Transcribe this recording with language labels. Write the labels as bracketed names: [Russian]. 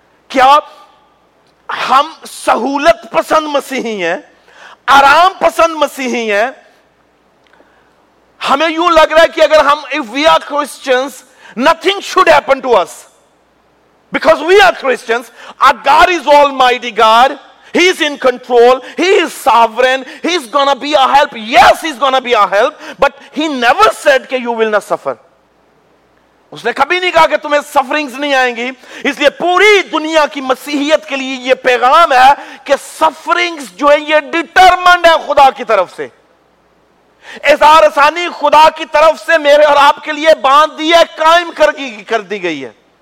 [Hindi] क्या हम सहूलत पसंद मसीही हैं, आराम पसंद मसीही हैं? हमें यूं लग रहा है कि अगर हम [English] If we are Christians nothing should happen to us Because we are Christians, our God is Almighty God. He is in control. He is sovereign. He is gonna be our help. Yes, he is gonna be our help. But he never said that you will not suffer. [Hindi] उसने कभी नहीं कहा कि तुम्हें sufferings नहीं आएंगी। इसलिए पूरी दुनिया की मसीहियत के लिए ये पैगाम है कि sufferings जो है ये determined है खुदा की तरफ से। इज़हार आसानी खुदा की तरफ से मेरे और आपके लिए बांध दी है, कायम कर दी गई है।